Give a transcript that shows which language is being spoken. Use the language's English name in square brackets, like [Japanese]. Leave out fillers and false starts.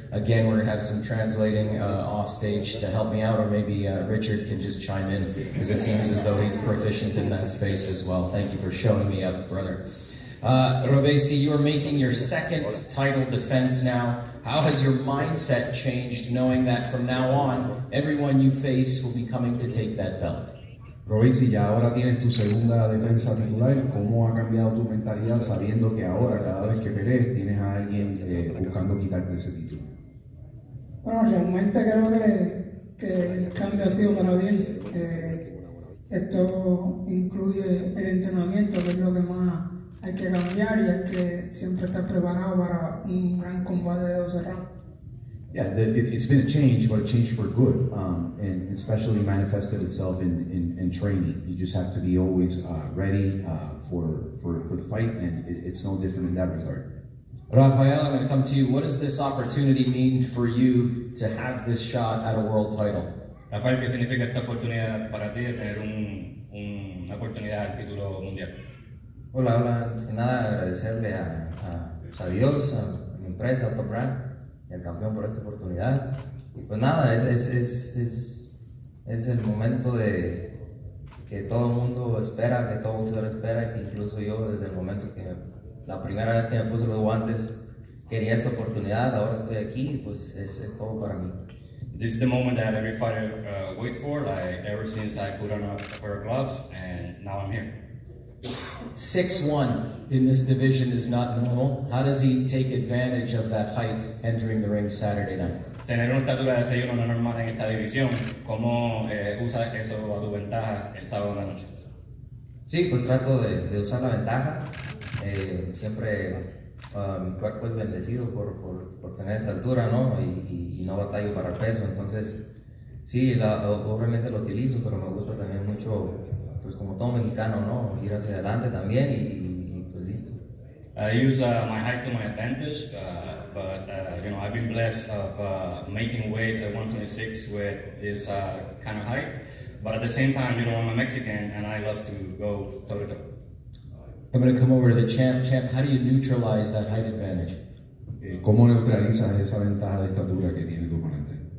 [English] Again, we're going to have some translating off stage to help me out, or maybe Richard can just chime in, because it seems as though he's proficient in that space as well. Thank you for showing me up, brother. Robeisy, you're making your second title defense now. How has your mindset changed, knowing that from now on, everyone you face will be coming to take that belt? [Spanish] Robeisy, ya ahora tienes tu segunda defensa titular. ¿Cómo ha cambiado tu mentalidad sabiendo que ahora, cada vez que pelees, tienes a alguien buscando quitarte ese título? Bueno, realmente creo que el cambio ha sido para bien. Esto incluye el entrenamiento, que es lo que más hay que cambiar, y es que siempre estar preparado para un gran combate de 12 rounds. [English] Yeah, it's been a change, but a change for good, and especially manifested itself in training. You just have to be always ready for the fight, and it's no different in that regard. Rafael, I'm going to come to you. What does this opportunity mean for you to have this shot at a world title? [Spanish] Rafael, ¿qué significa esta oportunidad para ti de tener una oportunidad al título mundial? Hola, hola. Antes que nada, agradecerle a Dios, a mi empresa, a Top Rank, el campeón por esta oportunidad. Y pues nada, es el momento de que todo el mundo espera, que todo boxeador espera, y que incluso yo, desde el momento que la primera vez que me puse los guantes, quería esta oportunidad. Ahora estoy aquí, pues es todo para mí. [English] This is the moment that every fighter waits for, like ever since I put on a pair of gloves, and now I'm here. 6-1 in this division is not normal. How does he take advantage of that height entering the ring Saturday night? [Spanish] Tener una estatura de 6-1 no normal en esta división. ¿Cómo usa eso a tu ventaja el sábado de la noche? Sí, pues trato de usar la ventaja. Siempre mi cuerpo es bendecido por tener esta altura, ¿no? Y no batallo para el peso. Entonces, sí, obviamente lo utilizo, pero me gusta también mucho, pues como todo mexicano, ¿no? Ir hacia adelante también y pues listo. [English] I use my height to my advantage, but you know, I've been blessed of making weight at 126 with this kind of height. But at the same time, you know, I'm a Mexican and I love to go toe to toe. I'm going to come over to the champ. Champ, how do you neutralize that height advantage? [Spanish] ¿Cómo neutralizas esa ventaja de estatura que tiene tu oponente?